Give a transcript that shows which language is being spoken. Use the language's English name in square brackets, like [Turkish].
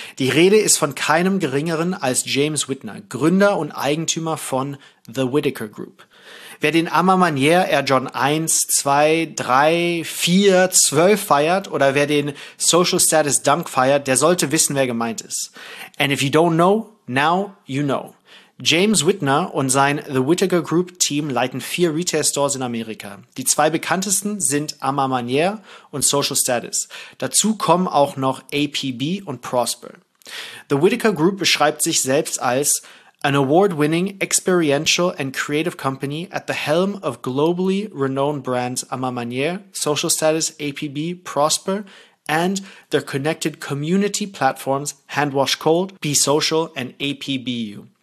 [German] Die Rede ist von keinem geringeren als James Whitner, Gründer und Eigentümer von The Whitaker Group. Wer den Armour Manier Air Jordan 1, 2, 3, 4, 12 feiert oder wer den Social Status Dunk feiert, der sollte wissen, wer gemeint ist. [English] And if you don't know, now you know. [German] James Whitner und sein The Whitaker Group Team leiten 4 Retail Stores in Amerika. Die 2 bekanntesten sind Armour Manier und Social Status. Dazu kommen auch noch APB und Prosper. [English] The Whittaker Group [German] beschreibt sich selbst als [English] an award-winning, experiential and creative company at the helm of globally renowned brands Ama Manier, Social Status, APB, Prosper and their connected community platforms Handwash Cold, Be Social and APBU.